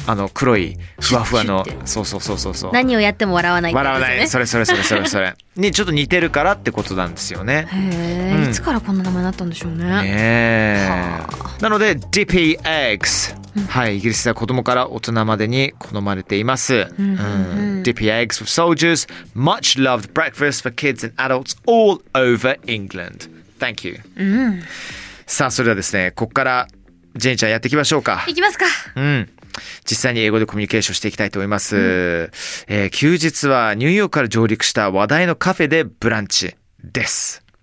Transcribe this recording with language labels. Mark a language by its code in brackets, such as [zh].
[ja] うん、あの黒いふわふわのそう何をやっても笑わないですよ、ね、笑わないそれにちょっと似てるからってことなんですよね。へー、うん、いつからこんな名前になったんでしょうね。ねーなのでディピーエッグス、はい、イギリスでは子供から大人までに好まれています。 [en] Dippy eggs for soldiers, much loved breakfast for kids and adults all over England. Thank you. [ja] さあ、それではですね、ここからジェニーちゃんやっていきましょうか。いきますか。うん。実際に英語でコミュニケーションしていきたいと思います。休日はニューヨークから上陸した話題のカフェでブランチです。